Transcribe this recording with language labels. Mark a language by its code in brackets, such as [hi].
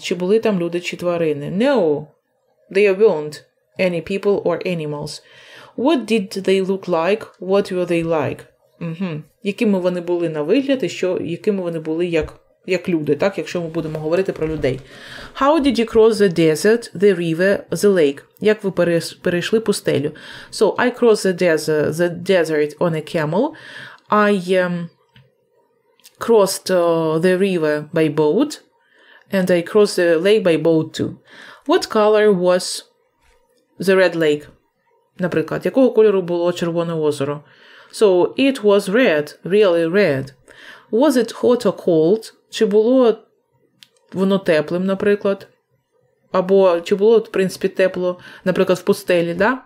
[uk] Чи були там люди чи тварини? [en] No, there weren't any people or animals. What did they look like? What were they like? [uk] Якими вони були на вигляд і що, якими вони були як люди, так? Якщо ми будемо говорити про людей. [en] How did you cross the desert, the river, the lake? [uk] Як ви перейшли пустелю? [en] So, I crossed the desert on a camel. I crossed the river by boat. And I crossed the lake by boat too. What color was the red lake? [uk] Наприклад, якого кольору було червоне озеро? [en] So, it was red, really red. Was it hot or cold? [uk] Чи було воно теплим, наприклад? Або чи було, в принципі, тепло, наприклад, в пустелі, да?